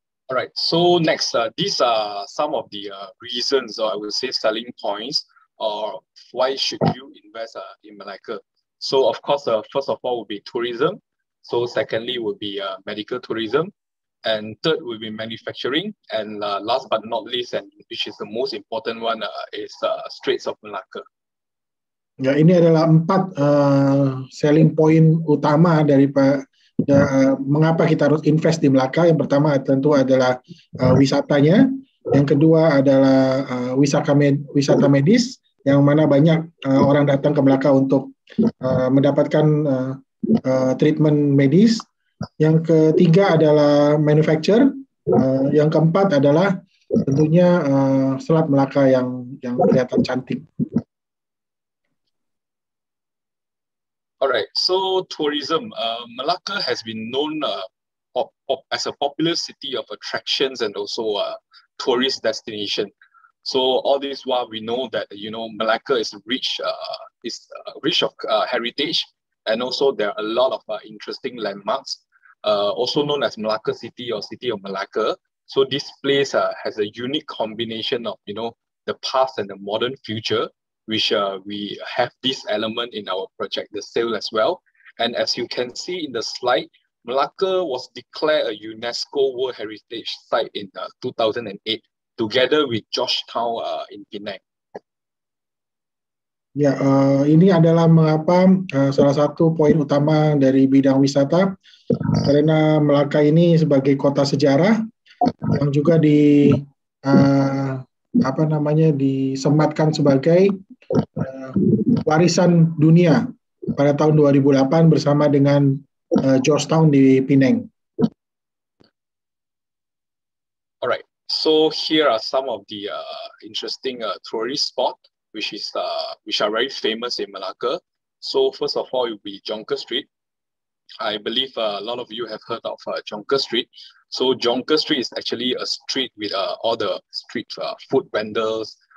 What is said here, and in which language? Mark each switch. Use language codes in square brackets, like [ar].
[en] Alright, so next, these are some of the reasons, or I will say selling points, or why should you invest in Malacca. So of course, first of all, will be tourism. So secondly, will be medical tourism. And third, will be manufacturing. And last but not least, and which is the most important one, is Straits of Malacca. [id] Ya, ini adalah empat [en] selling point [id] utama dari Mengapa kita harus invest di Melaka? Yang pertama tentu adalah wisatanya, yang kedua adalah wisata medis, yang mana banyak orang datang ke Melaka untuk mendapatkan treatment medis. Yang ketiga adalah manufacture, yang keempat adalah tentunya Selat Melaka yang kelihatan cantik. [en] Alright, so tourism, Malaka has been known as a popular city of attractions and also a tourist destination. So all this while we know that, you know, Malaka is rich of heritage, and also there are a lot of interesting landmarks, also known as Malaka City or City of Malaka. So this place has a unique combination of, you know, the past and the modern future, which we have this element in our project, the sale as well. And as you can see in the slide, Malaka was declared a UNESCO World Heritage Site in 2008, together with Georgetown in Penang. [id] Ya, ini adalah mengapa salah satu poin utama dari bidang wisata, karena Malaka ini sebagai kota sejarah yang juga di disematkan sebagai warisan dunia pada tahun 2008 bersama dengan Georgetown di Penang. [en] Alright, so here are some of the interesting tourist spot which are very famous in Malacca. So first of all, it will be Jonker Street. I believe a lot of you have heard of Jonker Street. So Jonker Street is actually a street with all the street food vendors.